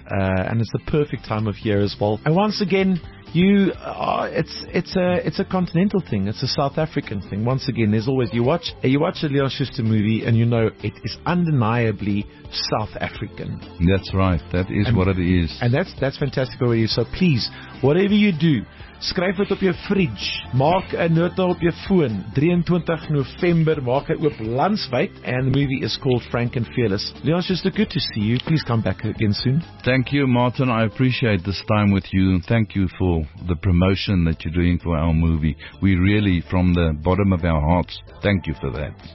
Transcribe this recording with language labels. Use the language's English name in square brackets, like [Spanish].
[English] And it's the perfect time of year as well. And once again, it's a continental thing. It's a South African thing. Once again, there's always, you watch a Leon Schuster movie and you know it is undeniably South African. That's right. That is what it is. And that's fantastic already. So please, whatever you do, [Afrikaans] skryf dit op jou fridge, maak 'n nota op jou foon. [English] 23 November [Afrikaans] maak hy oop landwyd [English] and the movie is called Frank and Fearless. Leon, it's just good to see you. Please come back again soon. Thank you, Martin. I appreciate this time with you. Thank you for the promotion that you're doing for our movie. We really, from the bottom of our hearts, thank you for that.